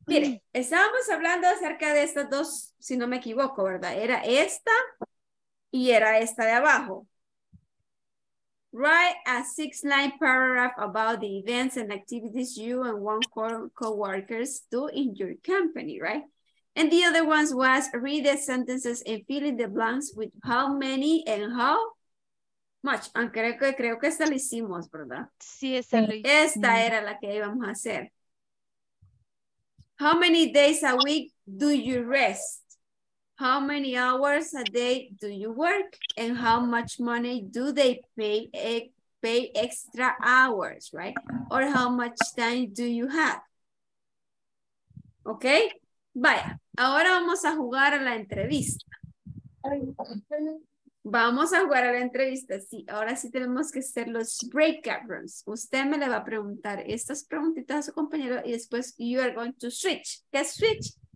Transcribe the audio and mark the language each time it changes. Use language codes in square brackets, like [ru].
[es] Mire, estábamos hablando acerca de estas dos, si no me equivoco, ¿verdad? Era esta y era esta de abajo. [en] Write a 6-line paragraph about the events and activities you and one co-workers do in your company, right? And the other ones was read the sentences and fill in the blanks with how many and how much. [es] Aunque creo que esta la hicimos, ¿verdad? Sí, esa lo hicimos. Esta era la que íbamos a hacer. [en] How many days a week do you rest? How many hours a day do you work? And how much money do they pay extra hours, right? Or how much time do you have? Okay? [es] Vaya, ahora vamos a jugar a la entrevista. Vamos a jugar a la entrevista, sí. Ahora sí tenemos que hacer los breakout rooms. Usted me le va a preguntar estas preguntitas a su compañero y después [en] you are going to switch. [es] ¿Qué switch?